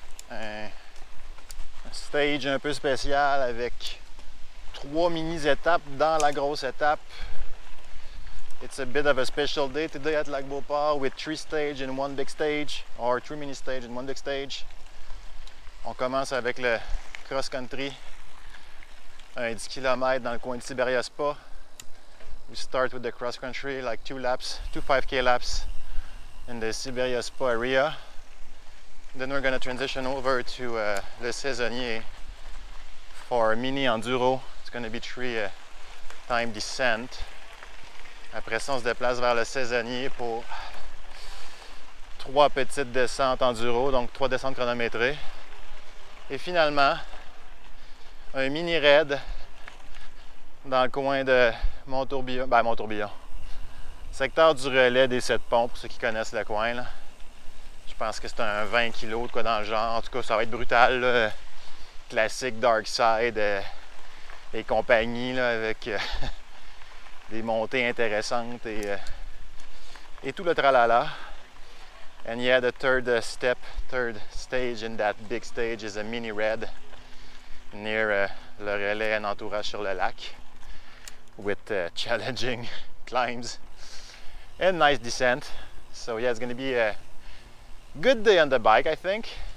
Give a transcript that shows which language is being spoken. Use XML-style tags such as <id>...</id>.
<fr>Un stage un peu spécial avec 3 mini-étapes dans la grosse étape.</fr> <en>It's a bit of a special day today at Lac-Beauport with 3 stages in one big stage. Or 3 mini-stages in one big stage.</en> <fr>On commence avec le cross-country. Un 10 km dans le coin de Siberia Spa.</fr> <en>We start with the cross country, like two 5K laps in the Siberia Spa area. Then we're gonna transition over to Le Saisonnier for mini enduro. It's gonna be 3-time descent.</en> <fr>Après ça, on se déplace vers Le Saisonnier pour 3 petites descentes enduro, donc 3 descentes chronométrées. Et finalement, un mini raid dans le coin de Mont-Tourbillon. Secteur du relais des 7 ponts, pour ceux qui connaissent le coin. Là. Je pense que c'est un 20 kg, quoi, dans le genre. En tout cas, ça va être brutal. Là. Classique dark side et compagnie, là, avec des montées intéressantes et tout le tralala.</fr> <en>And yeah, the third step, third stage in that big stage is a mini red near</en> <fr>le relais et entourage sur le lac.</fr> <en>With challenging climbs and nice descent. So yeah, it's gonna be a good day on the bike, I think.</en>